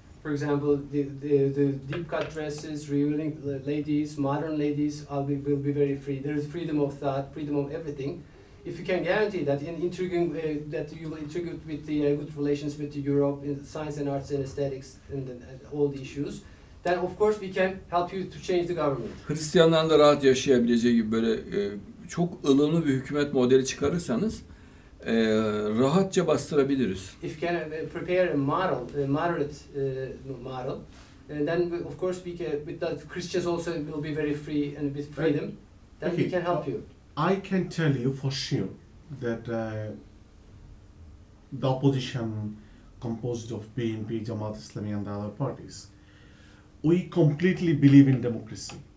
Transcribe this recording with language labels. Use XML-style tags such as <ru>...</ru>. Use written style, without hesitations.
<en>For example, the deep cut dresses, revealing ladies, modern ladies will be very free. There is freedom of thought, freedom of everything. If you can guarantee that in intriguing that you will intrigue with the good relations with the Europe in science and arts and aesthetics and all the issues, then of course we can help you to change the government.</en> <tr>Hristiyanların da rahat yaşayabileceği gibi böyle çok ılımlı bir hükümet modeli çıkarırsanız rahatça bastırabiliriz.</tr> <en>If you can prepare a model, a moderate model, then we, of course we can, with that Christians also will be very free and with freedom, then okay. We can help you. I can tell you for sure that the opposition composed of BNP, Jamaat Islami and the other parties, we completely believe in democracy.</en>